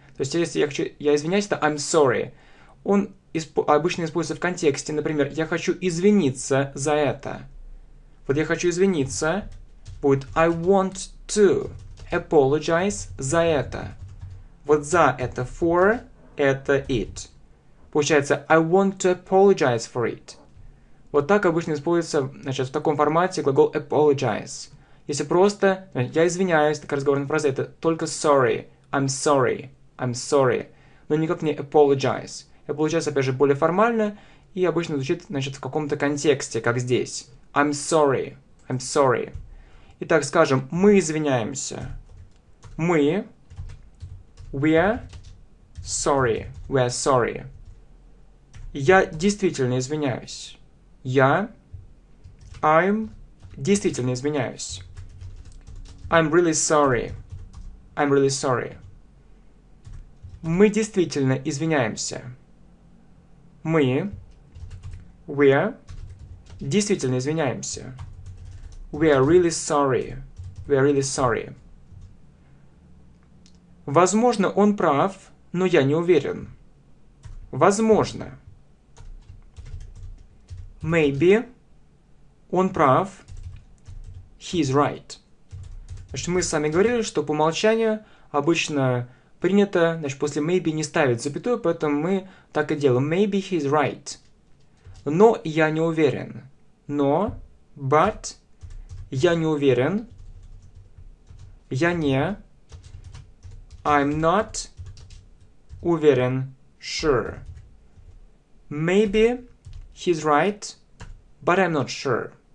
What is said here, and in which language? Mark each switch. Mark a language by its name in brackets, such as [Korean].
[Russian] То есть, если я хочу, я извиняюсь, это [English] I'm sorry. [Russian] Он обычно используется в контексте, например, я хочу извиниться за это. Вот я хочу извиниться, будет [English] I want to apologize [Russian] за это. Вот за это for, это it. Получается, [English] I want to apologize for it. [Russian] Вот так обычно используется, значит, в таком формате глагол apologize. Если просто, я извиняюсь, такая разговорная фраза, это только [English] sorry, I'm sorry. I'm sorry, [Russian] но никак не apologize. Apologize, опять же, более формально и обычно звучит, значит, в каком-то контексте, как здесь. [English] I'm sorry, I'm sorry. [Russian] Итак, скажем, мы извиняемся. [English] Мы, we're sorry, we're sorry. [Russian] Я действительно извиняюсь. [English] Я, I'm [Russian] действительно извиняюсь. [English] I'm really sorry, I'm really sorry. [Russian] Мы действительно извиняемся. Мы, we're, действительно извиняемся. [English] We are really sorry. We are really sorry. [Russian] Возможно, он прав, но я не уверен. Возможно. [English] Maybe, [Russian] он прав. [English] He's right. [Russian] Значит, мы с вами говорили, что по умолчанию обычно принято, значит, после maybe не ставить запятую, поэтому мы так и делаем. [English] Maybe he's right. [Russian] Но я не уверен. Но, but, я не уверен. Я не. [English] I'm not уверен. Sure. Maybe he's right, but I'm not sure.